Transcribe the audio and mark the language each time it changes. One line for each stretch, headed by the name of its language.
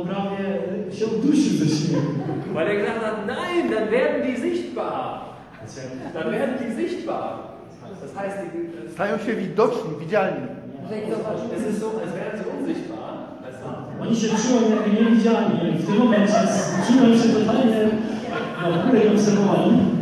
Polish: prawie się uduszył ze śmiechu.
German: Weil er gesagt hat, nein, dann werden die sichtbar. Dann werden die sichtbar. Das heißt, die, das
Polish: stają się widoczni, widzialni.
German: Es ist so, als wären sie unsichtbar.
Polish: Oni się czują jakby nie widziani. I w tym momencie czują się totalnie na górę i obserwowali.